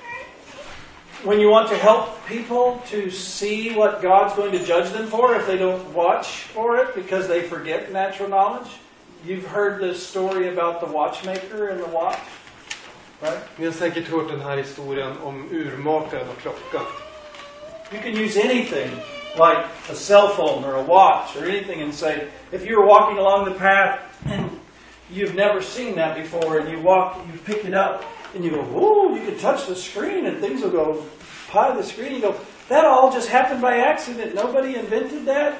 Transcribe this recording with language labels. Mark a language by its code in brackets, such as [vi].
[en] So, when you want to help people to see what God's going to judge them for if they don't watch for it because they forget natural knowledge, you've heard the story about the watchmaker and the watch, right? [sv] Ni har säkert hört den här historien om urmakaren och klockan. [en] You can use anything like a cell phone or a watch or anything and say, if you're walking along the path and you've never seen that before and you pick it up and you go, ooh, you can touch the screen and things will go pie the screen. You go, that all just happened by accident. Nobody invented that.